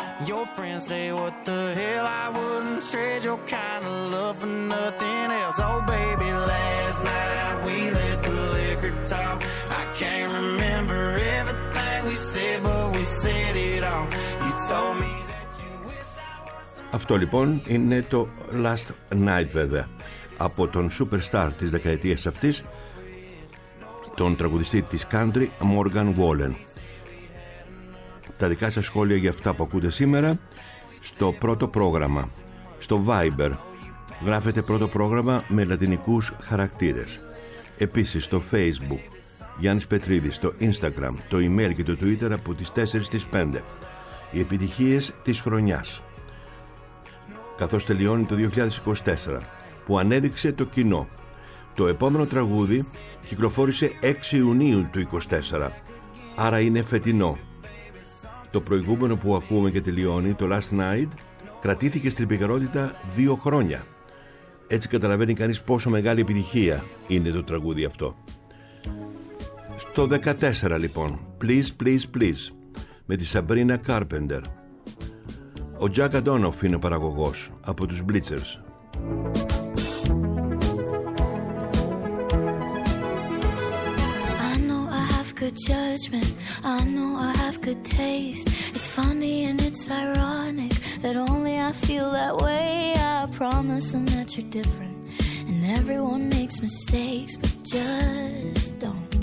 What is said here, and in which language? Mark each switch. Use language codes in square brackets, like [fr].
[en] Your friends say what the hell. I wouldn't trade your kind of love for nothing else. Oh baby, last night we let the liquor talk. I can't remember everything we said, but we said it all. You told me. [el] Αυτό λοιπόν είναι το Last Night, βέβαια, από τον superstar της δεκαετίας αυτής, τον τραγουδιστή της country Morgan Wallen. Τα δικά σας σχόλια για αυτά που ακούτε σήμερα στο πρώτο πρόγραμμα, στο Viber, γράφετε πρώτο πρόγραμμα με λατινικούς χαρακτήρες. Επίσης στο Facebook, Γιάννης Πετρίδης, στο Instagram, το email και το Twitter από τις 4 στις 5. Οι επιτυχίες της χρονιάς. Καθώς τελειώνει το 2024, που ανέδειξε το κοινό. Το επόμενο τραγούδι κυκλοφόρησε 6 Ιουνίου του 2024, άρα είναι φετινό. Το προηγούμενο που ακούμε και τελειώνει, το Last Night, κρατήθηκε στην επικαιρότητα 2 χρόνια. Έτσι καταλαβαίνει κανείς πόσο μεγάλη επιτυχία είναι το τραγούδι αυτό. Στο 14 λοιπόν, Please, Please, Please, με τη Sabrina Carpenter. Ο Jack Antonoff είναι ο παραγωγός από τους Bleachers. [en] I know I have good judgment. I know I have good taste. It's funny and it's ironic that only I feel that way. I promise them that you're different. And everyone makes mistakes, but just don't.